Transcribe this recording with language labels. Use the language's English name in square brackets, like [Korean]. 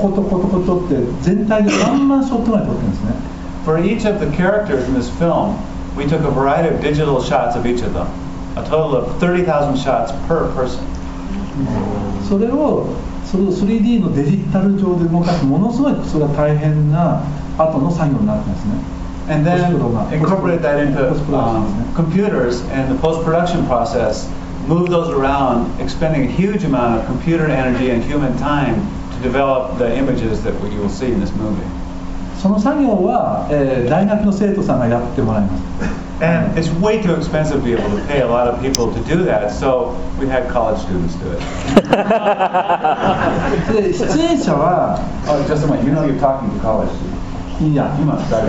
[Japanese] 出演者っていうのはですね、デジタルカメラでこう一つ一つの止めの絵をこう、ことことことって全体で何万ショットまで撮ってるんですね。 [English] For each of the characters in this film, we took a variety of digital shots of each of them. A total of 30,000 shots per person. [Japanese] それを3Dの デジタル上で動かすものすごいそれは大変な後の作業になってますね。 [English] And then incorporate that into computers and the post-production process, move those around, expending a huge amount of computer energy and human time to develop the images that you will see in this movie. [Japanese] その作業は大学の生徒さんがやってもらいます。And [English] it's way too expensive to be able to pay a lot of people to do that, so we had college students do it. [Japanese] 出演者は… [English] Oh, just a moment, you know you're talking to college students.